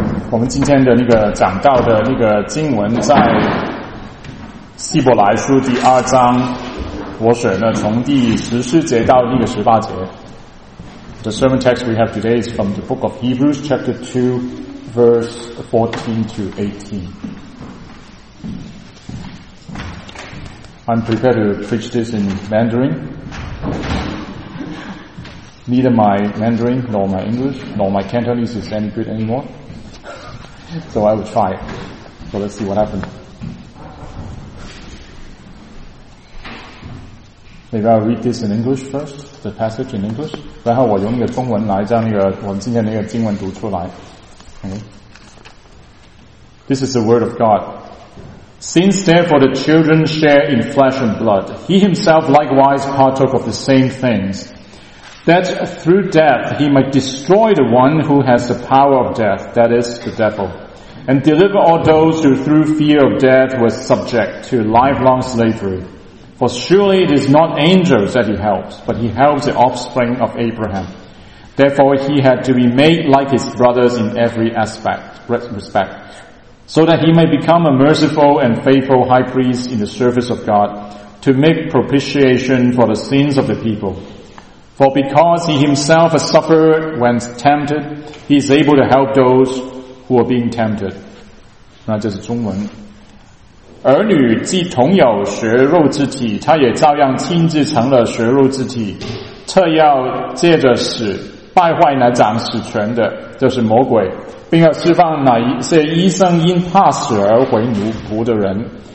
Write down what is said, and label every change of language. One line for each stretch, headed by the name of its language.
Chinese: 我们今天的那个讲到的那个经文在希伯来书第二章，我选了从第十四节到那个十八节。
English: The sermon text we have today is from the book of Hebrews, chapter 2, verse 14 to 18. I'm prepared to preach this in Mandarin. Neither my Mandarin nor my English nor my Cantonese is any good anymore. So I will try. So let's see what happens. Maybe I'll read this in English first, the passage in English.
Chinese: 然后我用那个中文来将那个我们今天那个经文读出来。
English: Okay. This is the word of God. Since therefore the children share in flesh and blood, he himself likewise partook of the same things, that through death he might destroy the one who has the power of death, that is, the devil, and deliver all those who through fear of death were subject to lifelong slavery. For surely it is not angels that he helps, but he helps the offspring of Abraham. Therefore he had to be made like his brothers in every respect, so that he may become a merciful and faithful high priest in the service of God, to make propitiation for the sins of the people. For because he himself has suffered when tempted, he is able to help those who are being tempted.
Chinese: 那这是中文。儿女既同有血肉之体，他也照样亲自成了血肉之体，特要借着死败坏那掌死权的，就是魔鬼，并要释放那些一生因怕死而为奴仆的人。